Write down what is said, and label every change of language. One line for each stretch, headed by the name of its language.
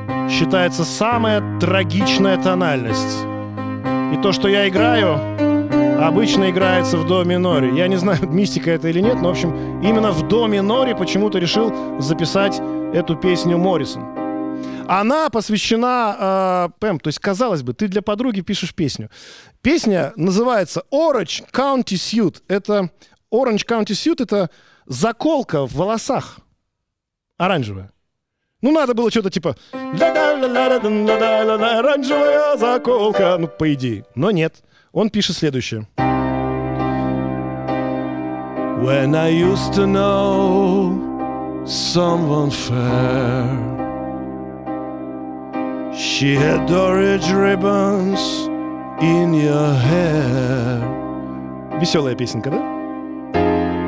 Russian: Считается самая трагичная тональность. И то, что я играю, обычно играется в до миноре. Я не знаю, мистика это или нет, но, в общем, именно в до миноре почему-то решил записать эту песню Моррисон. Она посвящена Пэм, то есть, казалось бы, ты для подруги пишешь песню. Песня называется Orange County Suit. Это Orange County Suit — это заколка в волосах оранжевая. Ну, надо было что-то типа «оранжевая заколка», ну, по идее. Но нет, он пишет следующее.
English: When I used to know someone fair, she had orange ribbons in your hair.
Russian: Веселая песенка, да?